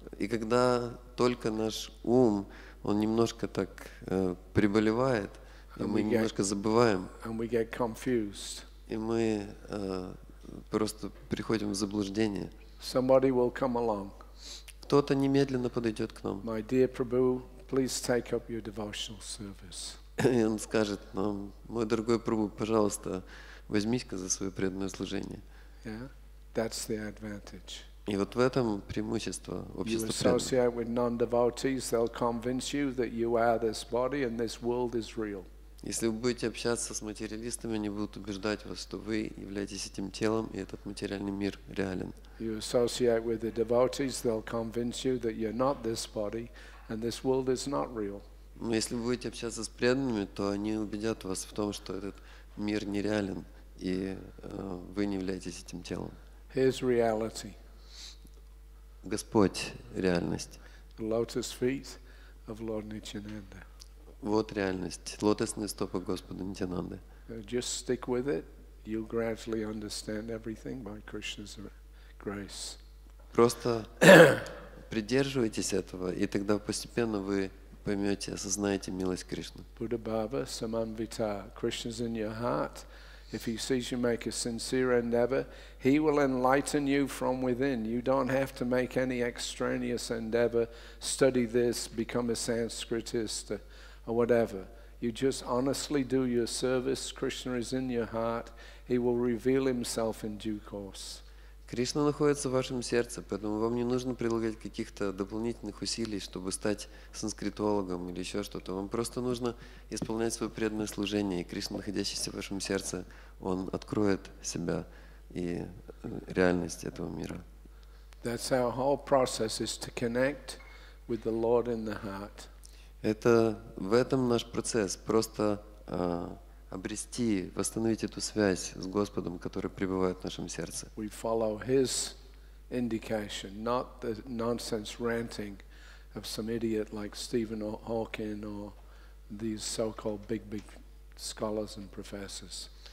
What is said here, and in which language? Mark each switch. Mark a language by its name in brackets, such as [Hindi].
[Russian] когда только наш ум, он немножко так приболевает, и мы немножко забываем, [English] and we get confused, [Russian] и мы просто приходим в заблуждение. [English] Somebody will come along. [Russian] Кто-то немедленно подойдет к нам. [English] My dear Prabhu, please take up your devotional service. [Russian] И он скажет нам: мой дорогой Прабху, пожалуйста, возьмись-ка за свое преданное служение. [English] Yeah. That's the advantage. [Russian] И вот в этом преимущество общества. [English] You associate with non-devotees, they'll convince you that you are this body and this world is real. [Russian] Если вы будете общаться с материалистами, они будут убеждать вас, что вы являетесь этим телом и этот материальный мир реален. [English] You associate with the devotees, they'll convince you that you're not this body and this world is not real. [Russian] Но если вы будете общаться с преданными, то они убедят вас в том, что этот мир нереален и вы не являетесь этим телом. [English] His reality. [Russian] Господь реальность. [English] The lotus feet of Lord Nityananda. [Russian] Вот реальность, лотосные стопы Господа Нитянанды. [English] Just stick with it, you'll gradually understand everything by Krishna's grace. [Russian] Просто придерживайтесь этого, и тогда постепенно вы поймете, осознаете милость Кришны. [English] Buddha Bhava Samanvita, Krishna's in your heart. If he sees you make a sincere endeavor, he will enlighten you from within. You don't have to make any extraneous endeavor, study this, become a Sanskritist or whatever. You just honestly do your service, Krishna is in your heart, he will reveal himself in due course. [Russian] Кришна находится в вашем сердце, поэтому вам не нужно прилагать каких-то дополнительных усилий, чтобы стать санскритологом или еще что-то. Вам просто нужно исполнять свое преданное служение, и Кришна, находящийся в вашем сердце, он откроет себя и реальность этого мира. [English] That's our whole process, is to connect with the Lord in the heart. [Russian] Это в этом наш процесс, просто обрести, восстановить эту связь с Господом, который пребывает в нашем сердце. [English] We follow his indication, not the nonsense ranting of some idiot like Stephen Hawking or these so-called big scholars and professors.